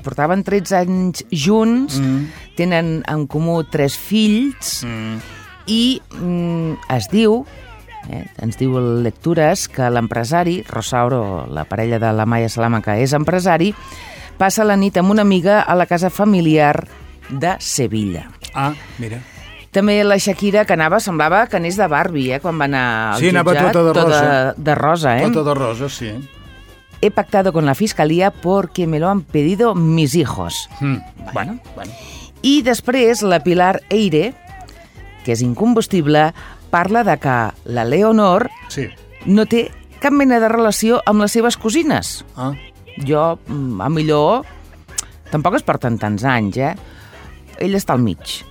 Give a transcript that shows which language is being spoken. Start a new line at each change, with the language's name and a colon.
Catalan: Portaven 13 anys junts, tenen en comú 3 fills, i es diu, ens diu a lectures, que l'empresari, Rosauro, la parella de la Maia Salama, que és empresari, passa la nit amb una amiga a la casa familiar de Sevilla. Ah, mira. També la Shakira, que anava, semblava que anés de Barbie, quan va anar al jutjat. Sí, anava tota de rosa. Tota de rosa, sí.
Spanish: He pactado con la fiscalía porque me lo han pedido mis hijos. Bueno.
Catalan: I després la Pilar Eire, que és incombustible, parla de que la Leonor no té cap mena de relació amb les seves cosines. Ah. Jo, a millor, tampoc es porten tants anys, ell està al mig.